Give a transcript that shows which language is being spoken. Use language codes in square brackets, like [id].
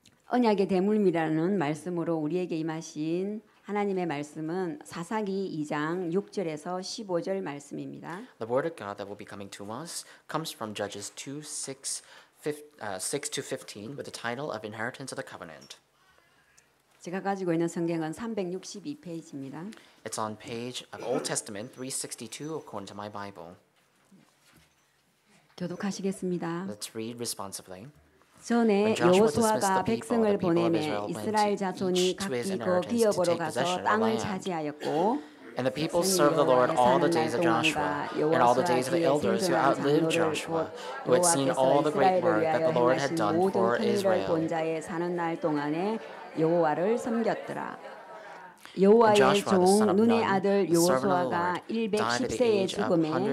[ko] 언약의 대물미라는 말씀으로 우리에게 임하신 하나님의 말씀은 사사기 2장 6절에서 15절 말씀입니다. [en] The word of God that will be coming to us comes from Judges 2:6-15 with the title of Inheritance of the Covenant. [ko] 제가 가지고 있는 성경은 362페이지입니다. [en] It's on page of Old Testament 362 according to my Bible. [ko] 교독하시겠습니다. [en] Let's read responsibly. [ko] 전에 여호수아가 백성을 보내매 이스라엘 자손이 각기 그 기업으로 가서 땅을 차지하였고 [en] And the people served the Lord all the days of Joshua and all the days of the elders who outlived Joshua who had seen all the great work that the Lord had done for Israel. [ko] 본자의 사는 날 동안에 여호와를 섬겼더라. 여호와의 종 눈의 아들 여호수아가 110세에 죽음에